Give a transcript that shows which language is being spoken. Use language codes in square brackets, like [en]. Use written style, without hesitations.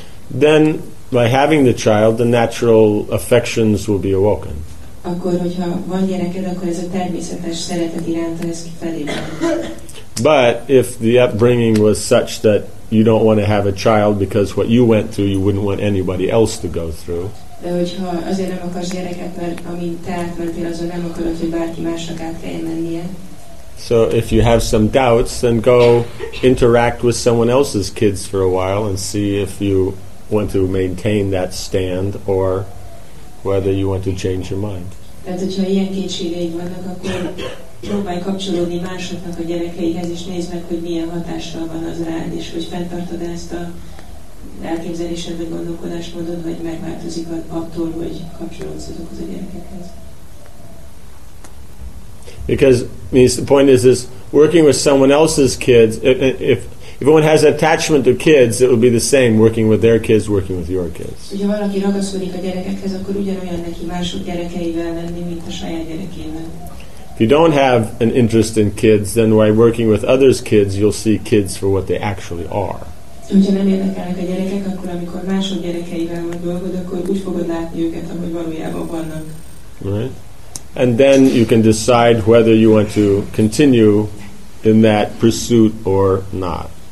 [en] Then, by having the child, the natural affections will be awoken. [hu] Akkor, hogyha van gyereked, akkor ez a természetes szeretet iránt, ez felébred. [en] But, if the upbringing was such that you don't want to have a child because what you went through, you wouldn't want anybody else to go through. [hu] De hogyha azért nem akarsz gyereket, mert amint te átmentél, azon nem akarod, hogy bárki másnak át kelljen mennie. [en] So if you have some doubts, then go interact with someone else's kids for a while and see if you want to maintain that stand or whether you want to change your mind. [hu] Tehát hogyha ilyen kétségeid vannak, akkor próbálj kapcsolódni másoknak a gyerekeihez, és nézd meg, hogy milyen hatással van az rád, és hogy fenntartod ezt a elképzelésed, vagy gondolkodásmódod, vagy megváltozik attól, hogy kapcsolódsz azokhoz a gyerekekhez. [en] Because the point is working with someone else's kids, if If one has attachment to kids, it would be the same working with their kids, working with your kids. [hu] Ugye valaki ragaszkodik a gyerekekhez, akkor ugyanolyan neki mások gyerekeivel lenni, mint a saját gyerekével. [en] If you don't have an interest in kids, then by working with others' kids, you'll see kids for what they actually are. [hu] Ugye nem érdekelnek a gyerekek, akkor amikor mások gyerekeivel vagy dolgod, akkor úgy fogod látni őket, ahogy valójában vannak. [en] Right? And then you can decide whether you want to continue in that pursuit or not.